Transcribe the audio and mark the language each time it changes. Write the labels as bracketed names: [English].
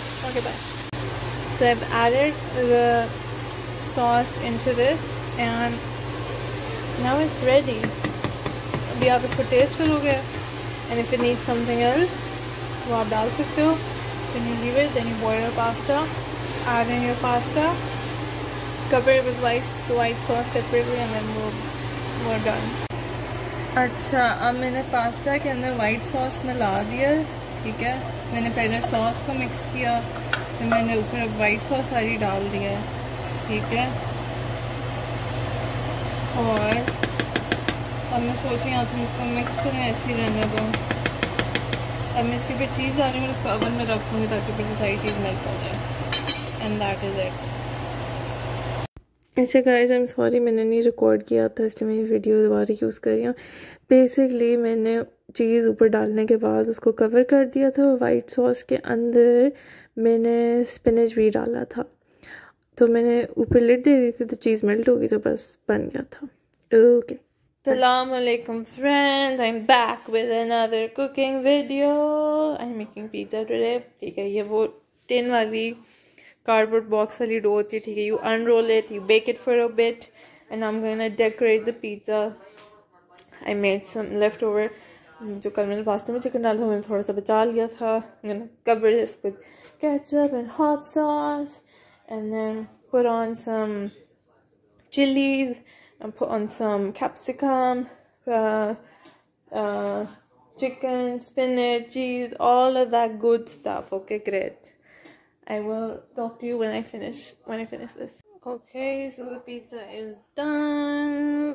[English] Okay, bye. So I've added the sauce into this and now it's ready. We have to taste it. And if it needs something else, [Hindi] तो आप डाल सकते हो. [English] Then you leave it, then you boil your pasta, add in your pasta, cover it with white sauce separately and then वो done. [Hindi] अच्छा, अब मैंने pasta के अंदर वाइट सॉस मिला दिया. ठीक है, मैंने पहले सॉस को मिक्स किया, फिर मैंने ऊपर वाइट सॉस सारी डाल दिया. ठीक है, और अब मैं सोच रही हूँ तुम इसको मिक्स करें, ऐसे ही रहने दो. अब मैं इसके ऊपर चीज़ डालूँगी और उसको अवन में रखूँगी ताकि फिर सारी चीज़ मेल्ट हो जाए. [English] And that is it. [Hindi] अच्छा गाइज, [English] I am sorry, [Hindi] मैंने नहीं रिकॉर्ड किया था इसलिए मैं ये वीडियो दोबारा यूज़ कर रही हूँ. बेसिकली मैंने चीज़ ऊपर डालने के बाद उसको कवर कर दिया था और वाइट सॉस के अंदर मैंने स्पिनच भी डाला था, तो मैंने ऊपर लिड दे दी थी तो चीज़ मेल्ट हो गई, तो बस बन गया था. Okay, [English] Assalamu alaikum friends, I'm back with another cooking video. I'm making pizza today. [Hindi] ठीक है, ये वो टिन वाली कार्डबोर्ड बॉक्स वाली डो होती है. [English] ठीक है, you unroll it, you bake it for a bit and I am going to decorate the pizza. I made some left over, [Hindi] जो कल मैंने पास्ता में चिकन डाला था मैंने थोड़ा सा बचा लिया था. [English] I am going to cover this with ketchup and hot sauce and then put on some chillies and put on some capsicum, chicken, spinach, cheese, all of that good stuff. Okay, great. I will talk to you when I finish this. Okay, so the pizza is done.